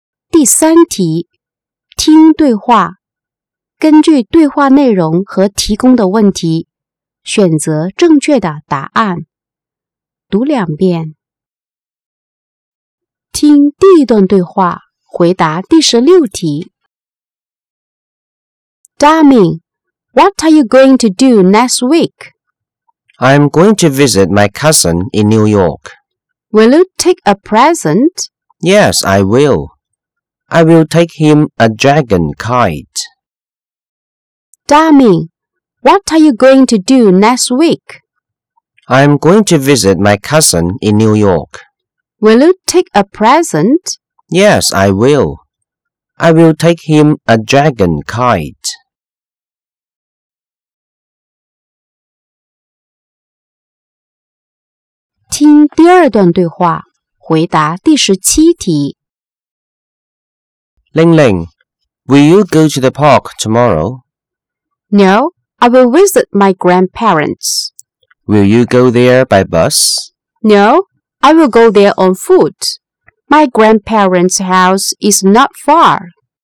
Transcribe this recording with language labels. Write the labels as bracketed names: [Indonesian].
[Chinese] 第三题，听对话，根据对话内容和提供的问题，选择正确的答案。读两遍。听第一段对话，回答第十六题。 [English] Darling, what are you going to do next week? I'm going to visit my cousin in New York. Will you take a present? Yes, I will. I will take him a dragon kite. Darling, what are you going to do next week? I'm going to visit my cousin in New York. Will you take a present? Yes, I will. I will take him a dragon kite. [Chinese] 听第二段对话，回答第十七题。 [English] Ling Ling, will you go to the park tomorrow? No, I will visit my grandparents. Will you go there by bus? No, I will go there on foot. My grandparents' house is not far.